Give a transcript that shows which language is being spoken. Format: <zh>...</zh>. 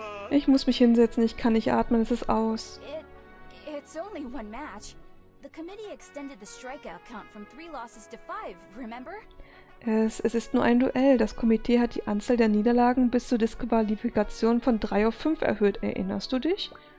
<de>Ich muss mich hinsetzen, ich kann nicht atmen, es ist aus.</de> <en>It's only one match. The committee extended the strikeout count from 3 losses to 5, remember?</en> <de>Es ist nur ein Duell. Das Komitee hat die Anzahl der Niederlagen bis zur Disqualifikation von 3 auf 5 erhöht. Erinnerst du dich?</de>